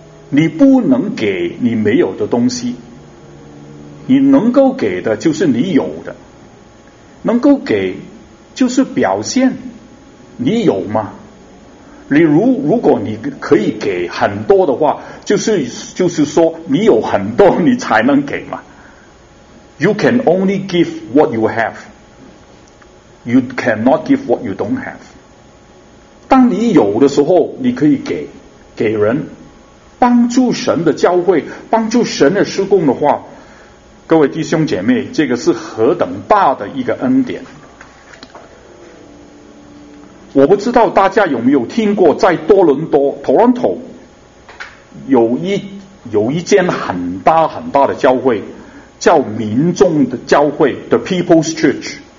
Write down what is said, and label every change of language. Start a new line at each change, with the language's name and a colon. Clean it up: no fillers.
Chinese: 你不能给你没有的东西，你能够给的就是你有的。能够给就是表现你有吗？你如果你可以给很多的话，就是说你有很多你才能给吗？
English: You can only give what you have. You cannot give what you don't have.
Chinese: 当你有的时候你可以给人，帮助神的教会，帮助神的施工的话，各位弟兄姐妹，这个是何等大的一个恩典。我不知道大家有没有听过，在多伦多 Toronto 有一间很大很大的教会，叫民众的教会 The People's Church。